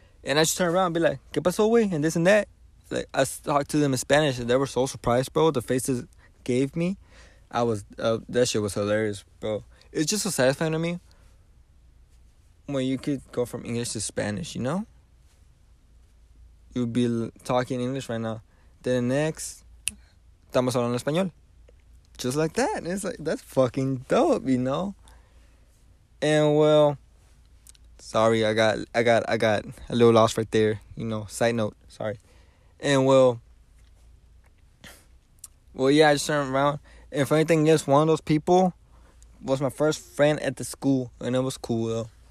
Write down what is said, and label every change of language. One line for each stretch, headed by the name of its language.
English: And I just turn around and be like,
Spanish: ¿Qué pasó, güey?
English: And this and that. Like, I talked to them in Spanish and they were so surprised, bro. The faces gave me. That shit was hilarious, bro. It's just so satisfying to me when you could go from English to Spanish, you know? You'd be talking English right now. Then next,
Spanish: estamos hablando español.
English: Just like that. And it's like, that's fucking dope, you know? And well, sorry, I got a little lost right there. You know, side note, sorry. And well, yeah, I just turned around. And funny thing is, one of those people was my first friend at the school. And it was cool, though.